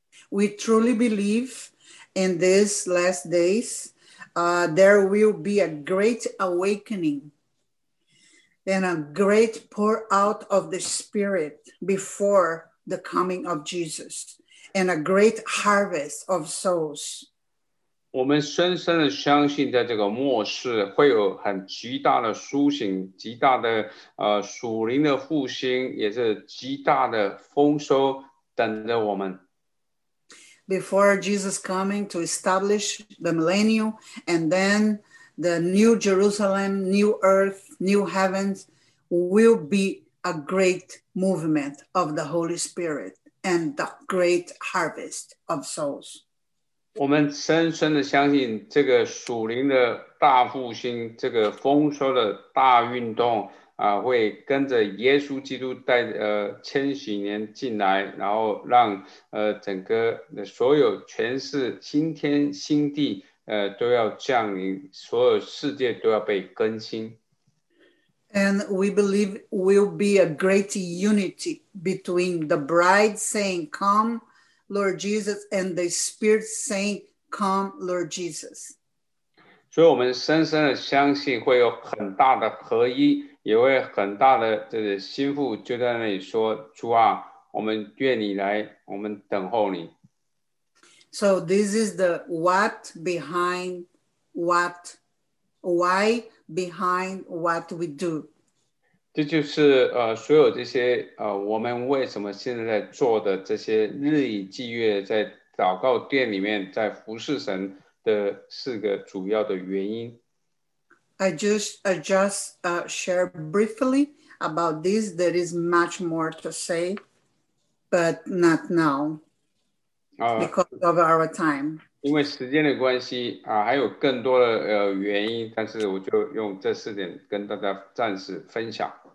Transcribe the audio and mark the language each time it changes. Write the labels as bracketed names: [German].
[English] We truly believe in these last days, there will be a great awakening and a great pour out of the Spirit before the coming of Jesus. and a great harvest of souls. [Chinese] 我们深深的相信在这个末世会有很极大的苏醒，极大的属灵的复兴，也是极大的丰收等着我们。 [English] Before Jesus coming to establish the millennium and then the new Jerusalem, new earth, new heavens will be a great movement of the Holy Spirit and the great harvest of souls. [Chinese] 我们深深地相信这个属灵的大复兴，这个丰收的大运动啊，会跟着耶稣基督带千禧年进来，然后让整个所有全世新天新地都要降临，所有世界都要被更新。 [English] And we believe will be a great unity between the bride saying, Come, Lord Jesus, and the Spirit saying, Come, Lord Jesus. [Chinese] 所以我们深深的相信会有很大的合一，也会很大的这个心腹就在那里说，主啊，我们愿你来，我们等候你。 [English] So this is the what behind what, why behind what we do. [Chinese] 这就是所有这些我们为什么现在在做的这些日以继月在祷告殿里面在服侍神的四个主要的原因。 [English] I just share briefly about this. There is much more to say, but not now. Because of our time. [Chinese] 因为时间的关系还有更多的原因，但是我就用这四点跟大家暂时分享。